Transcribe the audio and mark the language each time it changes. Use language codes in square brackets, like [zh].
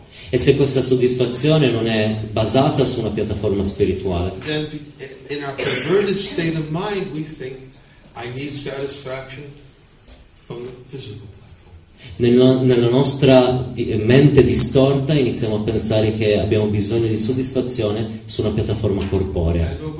[it] E se questa soddisfazione non è basata su una piattaforma spirituale, [en] in our perverted state of mind we think I need satisfaction from the physical. [it] Nella nostra mente distorta iniziamo a pensare che abbiamo bisogno di soddisfazione su una piattaforma corporea.